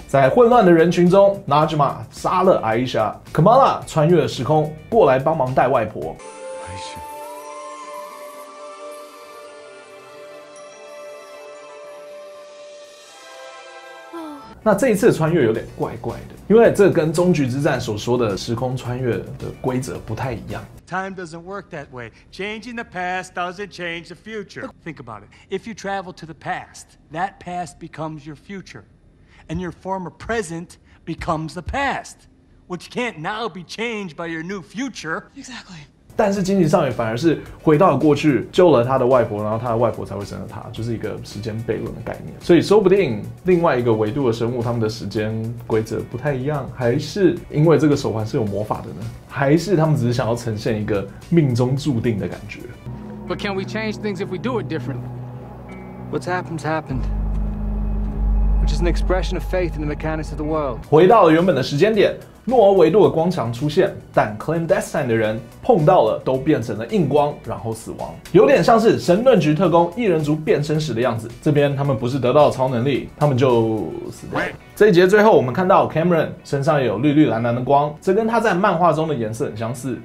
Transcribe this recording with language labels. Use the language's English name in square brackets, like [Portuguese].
[Chinese] 在混乱的人群中， Najma 杀了 Aisha， Kamala 穿越了时空过来帮忙带外婆。那这一次穿越有点怪怪的，因为这跟终局之战所说的时空穿越的规则不太一样。 [English] Time doesn't work that way. Changing the past doesn't change the future. Think about it. If you travel to the past, that past becomes your future, and your former present becomes the past, which can't now be changed by your new future. Exactly. [Chinese] 但是惊奇少女反而是回到了过去，救了她的外婆，然后她的外婆才会生了她，就是一个时间悖论的概念。所以说不定另外一个维度的生物，他们的时间规则不太一样，还是因为这个手环是有魔法的呢？还是他们只是想要呈现一个命中注定的感觉 [English] ？But can we change things if we do it differently? What's happened's happened. Which is an expression of faith in the mechanics of the world. [Chinese] 回到了原本的时间点，诺尔维度的光墙出现，但 clandestine 的人碰到了都变成了硬光，然后死亡，有点像是神盾局特工异人族变身时的样子。这边他们不是得到了超能力，他们就死掉。这一节最后，我们看到 Cameron 身上有绿绿蓝蓝的光，这跟他在漫画中的颜色很相似。